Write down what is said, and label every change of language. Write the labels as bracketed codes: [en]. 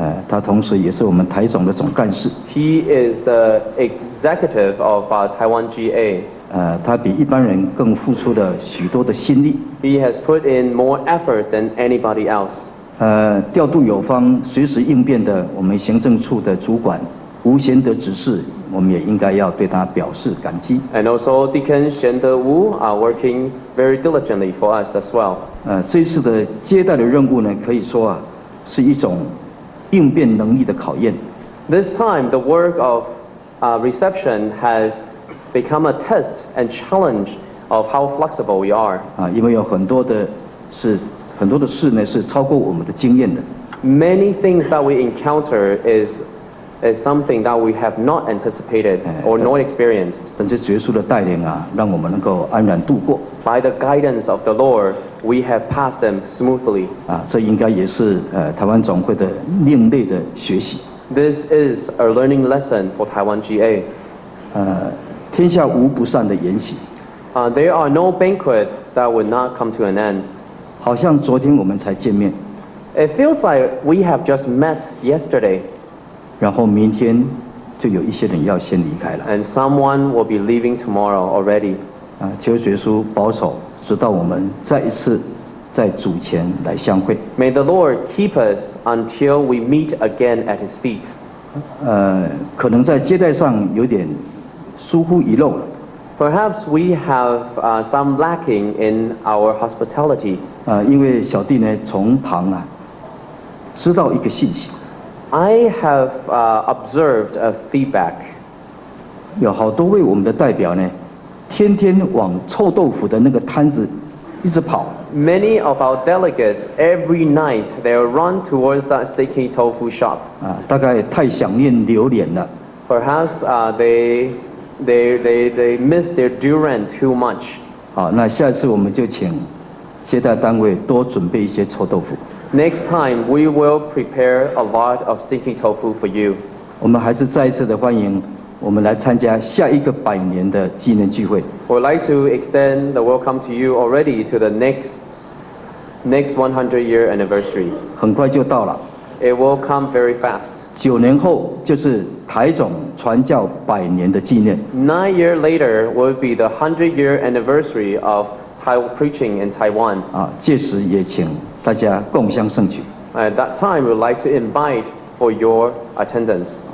[zh] 他同时也是我们台总的总干事。 [en] He is the executive of Taiwan GA. [zh] 他比一般人更付出了许多的心力。 [en] He has put in more effort than anybody else. [zh] 调度有方、随时应变的我们行政处的主管吴贤德执事。我们也应该要对他表示感激。 [en] And also Deacon Xian De Wu are working very diligently for us as well. [zh] 这次的接待的任务呢，可以说是一种应变能力的考验。 [en] This time the work of reception has become a test and challenge of how flexible we are. [zh] 因为有很多的事呢是超过我们的经验的。 [en] Many things that we encounter is something that we have not anticipated or not experienced. [zh] 但是耶稣的带领让我们能够安然度过。 [en] By the guidance of the Lord, we have passed them smoothly. [zh] 这应该也是台湾总会的另类的学习。 [en] This is a learning lesson for Taiwan GA. [zh] 天下无不散的筵席。 [en] There are no banquet that would not come to an end. [zh] 好像昨天我们才见面。 [en] It feels like we have just met yesterday. [zh] 然后明天就有一些人要先离开了。 [en] And someone will be leaving tomorrow already. [zh] 求耶稣保守，直到我们再一次在主前来相会。 [en] May the Lord keep us until we meet again at His feet. [zh] 可能在接待上有点疏忽遗漏了。 [en] Perhaps we have some lacking in our hospitality. [zh] 因为小弟呢从旁知道一个信息。 [en] I have observed a feedback. [zh] 有好多位我们的代表呢，天天往臭豆腐的那个摊子一直跑。 [en] Many of our delegates every night they run towards that sticky tofu shop. [zh] 大概太想念榴莲了。 [en] Perhaps they miss their durian too much. [zh] 好，那下次我们就请接待单位多准备一些臭豆腐。 [en] Next time, we will prepare a lot of stinky tofu for you. [zh] 我们还是再一次的欢迎我们来参加下一个百年的纪念聚会。 [en] We'd like to extend the welcome to you already to the next 100 year anniversary. [zh] 很快就到了。 [en] It will come very fast. [zh] 九年后就是台总传教百年的纪念。 [en] 9 year later will be the 100 year anniversary of preaching in Taiwan. [zh] 届时也请大家共襄盛举。 [en] At that time, we would like to invite for your attendance.